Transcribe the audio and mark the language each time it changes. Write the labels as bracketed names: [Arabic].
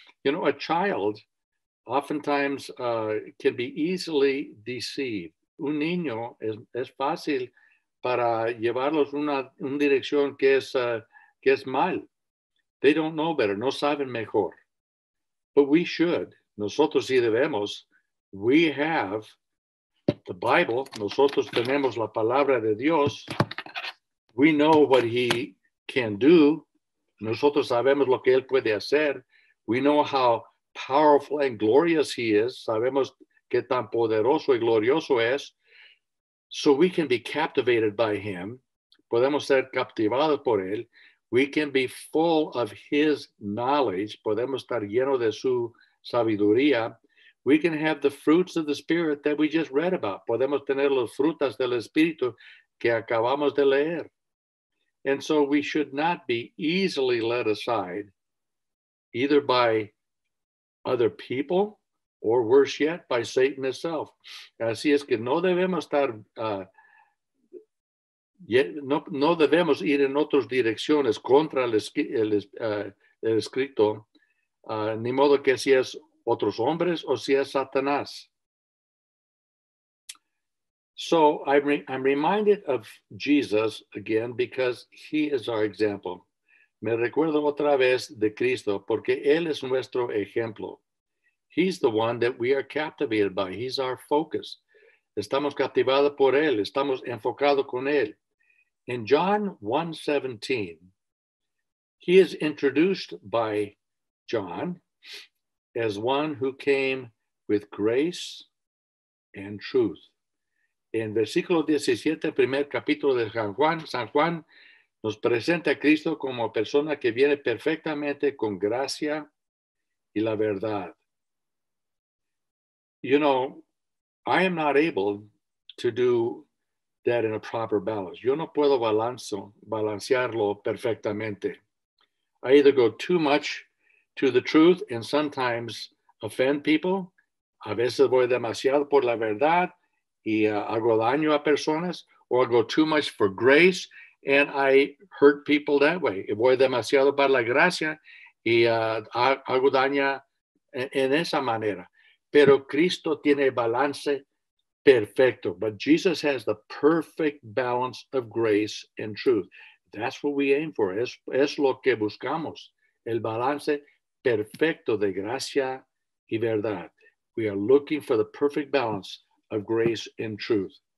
[English] You know, a child oftentimes can be easily deceived. [Spanish] Un niño es fácil para llevarlos una dirección que es mal. [English] They don't know better, [Spanish] no saben mejor. [English] But we should. [Spanish] Nosotros sí debemos. [English] We have the Bible. [Spanish] Nosotros tenemos la palabra de Dios. [English] We know what he can do. [Spanish] Nosotros sabemos lo que él puede hacer. [English] We know how powerful and glorious he is. [Spanish] Sabemos qué tan poderoso y glorioso es. [English] So we can be captivated by him. [Spanish] Podemos ser captivados por él. [English] We can be full of his knowledge. [Spanish] Podemos estar lleno de su sabiduría. [English] We can have the fruits of the Spirit that we just read about. [Spanish] Podemos tener los frutas del Espíritu que acabamos de leer. [English] And so we should not be easily led aside, either by other people or worse yet, by Satan himself. [Spanish] Así es que no debemos estar, no debemos ir en otras direcciones contra el Escrito, ni modo que si es otros hombres o si es Satanás. [English] So I'm reminded of Jesus again because he is our example. [Spanish] Me recuerdo otra vez de Cristo porque él es nuestro ejemplo. [English] He's the one that we are captivated by. He's our focus. [Spanish] Estamos captivados por él. Estamos enfocados con él. [English] In John 1:17, he is introduced by John as one who came with grace and truth. [Spanish] En versículo 17, primer capítulo de San Juan nos presenta a Cristo como persona que viene perfectamente con gracia y la verdad. [English] You know, I am not able to do that in a proper balance. [Spanish] Yo no puedo balancearlo perfectamente. [English] I either go too much to the truth and sometimes offend people. [Spanish] A veces voy demasiado por la verdad y hago daño a personas, [English] or I go too much for grace and I hurt people that way. [Spanish] Voy demasiado para la gracia y hago daño en esa manera. Pero Cristo tiene balance perfecto. [English] But Jesus has the perfect balance of grace and truth. That's what we aim for. [Spanish] Es lo que buscamos. El balance perfecto de gracia y verdad. [English] We are looking for the perfect balance of grace and truth.